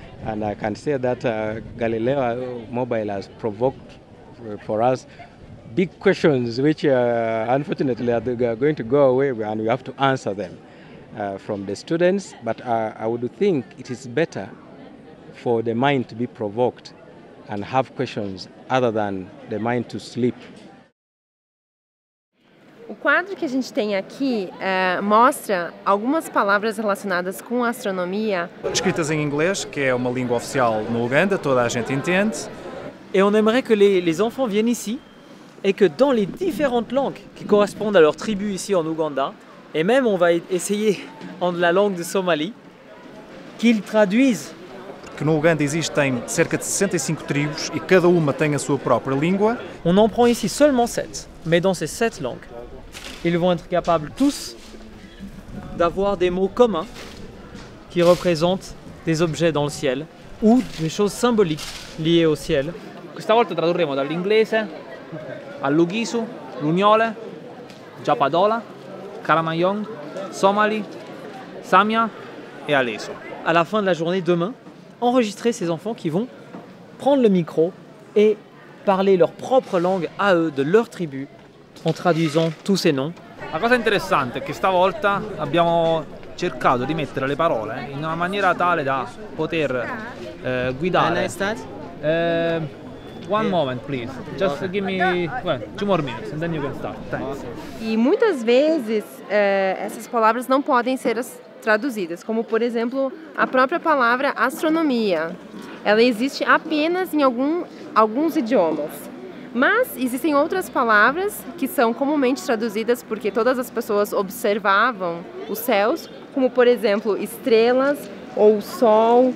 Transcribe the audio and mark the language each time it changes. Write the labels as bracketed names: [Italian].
[English] And I can say that Galileo Mobile has provoked for us big questions, which unfortunately are going to go away, and we have to answer them from the students. But I would think it is better for the mind to be provoked and have questions other than the mind to sleep. [Portuguese] O quadro que a gente tem aqui mostra algumas palavras relacionadas com astronomia. Escritas em inglês, que é uma língua oficial no Uganda, toda a gente entende. [French] Et on aimerait que les enfants viennent ici et que dans les différentes langues qui correspondent à leur tribu ici en Uganda, et même on va essayer en la langue de Somalie, qu'ils traduisent. [Portuguese] Que no Uganda existem cerca de 65 tribos e cada uma tem a sua própria língua. [French] On en prend ici seulement 7, mais dans ces 7 langues. Ils vont être capables tous d'avoir des mots communs qui représentent des objets dans le ciel ou des choses symboliques liées au ciel. [Italian] Questa volta tradurremo dall'inglese all'ughisu, lugnole, japadola, karamayong, somali, samia et aleso. [French] À la fin de la journée demain, enregistrer ces enfants qui vont prendre le micro et parler leur propre langue à eux de leur tribu. En traduisant tous ces noms. [Italian] La cosa interessante è che stavolta abbiamo cercato di mettere le parole in una maniera tale da poter guidare. [English] Can I start? One moment, please. Just give me two more minutes and then you can start. Thanks. [Portuguese] E muitas vezes essas palavras não podem ser traduzidas, como por exemplo a própria palavra astronomia. Ela existe apenas em alguns idiomas. Mas existem outras palavras que são comumente traduzidas porque todas as pessoas observavam os céus, como por exemplo estrelas ou sol.